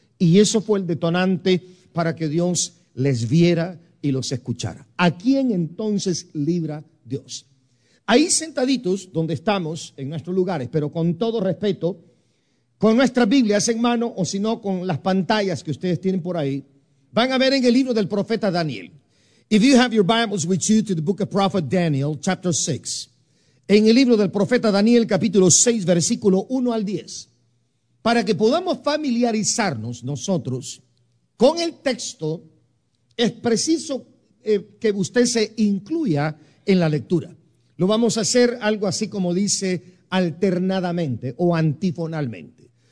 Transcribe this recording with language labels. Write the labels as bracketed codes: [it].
[es] Y eso fue el detonante para que Dios les viera y los escuchara. ¿A quién entonces libra Dios? Ahí sentaditos donde estamos en nuestros lugares, pero con todo respeto, con nuestras Biblias en mano o si no con las pantallas que ustedes tienen por ahí, van a ver en el libro del profeta Daniel. [en] If you have your Bibles with you to the book of prophet Daniel, chapter 6. [es] En el libro del profeta Daniel, capítulo 6, versículo 1 al 10. Para que podamos familiarizarnos nosotros con el texto, es preciso que usted se incluya en la lectura. Lo vamos a hacer algo así como dice alternadamente o antifonalmente.